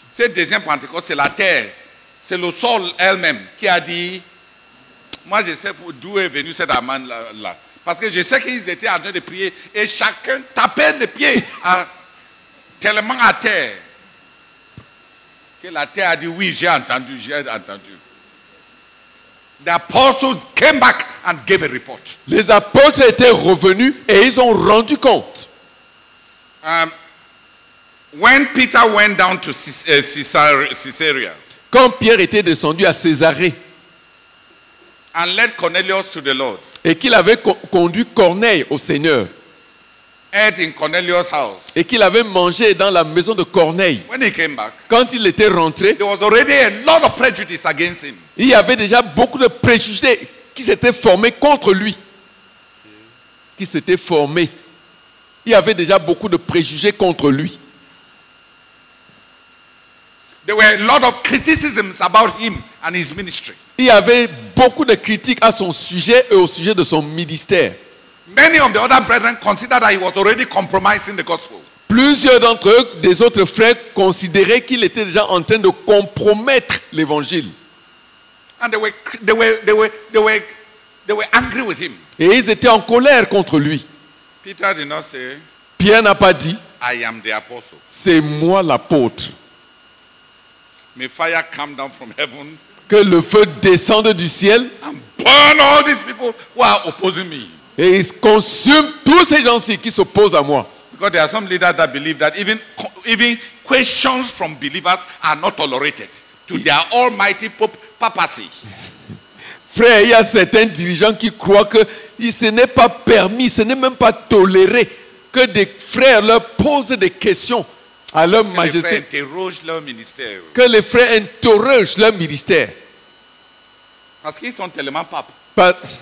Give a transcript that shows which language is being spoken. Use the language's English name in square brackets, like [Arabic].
[French] Cette deuxième Pentecôte, c'est la terre, c'est le sol elle-même qui a dit, moi je sais d'où est venu cet Amen-là. Parce que je sais qu'ils étaient en train de prier et chacun tapait les pieds tellement à terre. Que la terre a dit oui, j'ai entendu. [English] The apostles came back and gave a report. [French] Les apôtres étaient revenus et ils ont rendu compte. [English] When Peter went down to Caesarea. [French] Quand Pierre était descendu à Césarée. [English] And led Cornelius to the Lord. [French] Et qu'il avait conduit Corneille au Seigneur. [English] Ate in Cornelius' house. [French] Et qu'il avait mangé dans la maison de Corneille. [English] When he came back, [French] quand il était rentré, [English] there was already a lot of prejudice against him. [French] Il y avait déjà beaucoup de préjugés qui s'étaient formés contre lui. [English] There were a lot of criticisms about him and his ministry. [French] Il y avait beaucoup de critiques à son sujet et au sujet de son ministère. [English] Many of the other brethren considered that he was already compromising the gospel. [French] Plusieurs d'entre eux, des autres frères, considéraient qu'il était déjà en train de compromettre l'évangile. [English] And they were angry with him. [French] Et ils étaient en colère contre lui. [English] Peter did not say, [French] Pierre n'a pas dit, [English] I am the apostle. [French] C'est moi l'apôtre. [English] May fire come down from heaven. [French] Que le feu descende du ciel. [English] And burn all these people who are opposing me. [French] Et il consume tous ces gens-ci qui s'opposent à moi. [English] Because there are some leaders that believe that even questions from believers are not tolerated to their almighty pope papacy. [French] Frère, il y a certains dirigeants qui croient que ce n'est pas permis, ce n'est même pas toléré que des frères leur posent des questions à leur que majesté. Les frères interrogent leur ministère. Que les frères interrogent leur ministère. Parce qu'ils sont tellement papes.